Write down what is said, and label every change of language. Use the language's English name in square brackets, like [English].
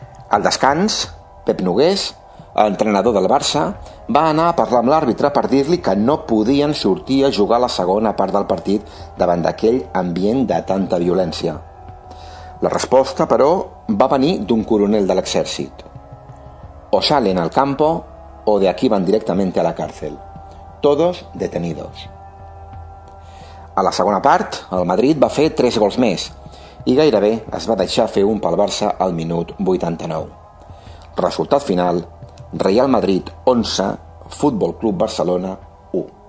[Catalan] Al descans, Pep Nogués, entrenador del Barça, va anar a parlar amb l'àrbitre per dir-li que no podien sortir a jugar la segona part del partit davant d'aquell ambient de tanta violència. La resposta, però, va venir d'un coronel de l'exèrcit. [Spanish] O salen al campo o de aquí van directamente a la cárcel. Todos detenidos. [Catalan] A la segona part, el Madrid va fer 3 gols més i gairebé es va deixar fer un pel Barça al minut 89. Resultat final: Real Madrid 11, Futbol Club Barcelona 1.